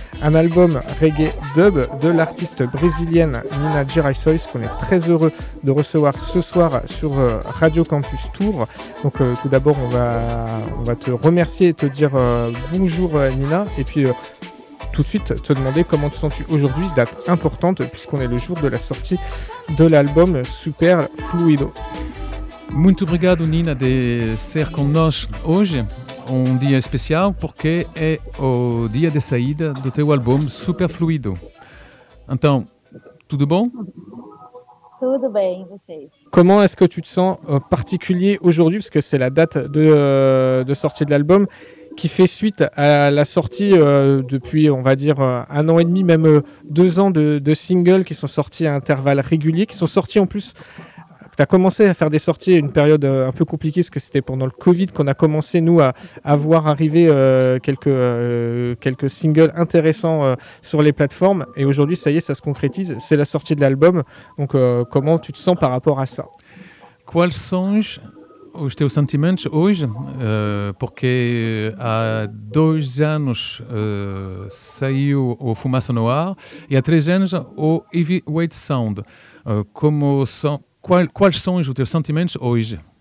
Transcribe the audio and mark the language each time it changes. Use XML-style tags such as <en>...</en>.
<fr>Un album reggae dub de l'artiste brésilienne Nina Giraisois qu'on est très heureux de recevoir ce soir sur Radio Campus Tour. Donc tout d'abord on va te remercier et te dire bonjour Nina et puis tout de suite te demander comment te sens-tu aujourd'hui, date importante puisqu'on est le jour de la sortie de l'album Super Fluido.</fr> <pt>Muito obrigado Nina de ser conosco hoje. Un dia especial perché è o dia de saída do teu album Super Fluido. Então, tudo bom? Tudo bem, vocês.</pt> <fr>Comment est-ce que tu te sens particulier aujourd'hui parce que c'est la date de sortie de l'album qui fait suite à la sortie depuis on va dire un an et demi même deux ans de singles qui sont sortis à intervalles réguliers qui sont sortis en plus. Tu as commencé à faire des sorties une période un peu compliquée parce que c'était pendant le Covid qu'on a commencé nous à voir arriver quelques singles intéressants sur les plateformes et aujourd'hui ça y est ça se concrétise, c'est la sortie de l'album. Donc comment tu te sens par rapport à ça?</fr> <pt>Quels sont os teus sentimentos hoje? Porque há dois anos saiu o Fumaça no Ar e há três anos o Heavyweight Sound. Como são Quais são os teus sentimentos hoje?</pt>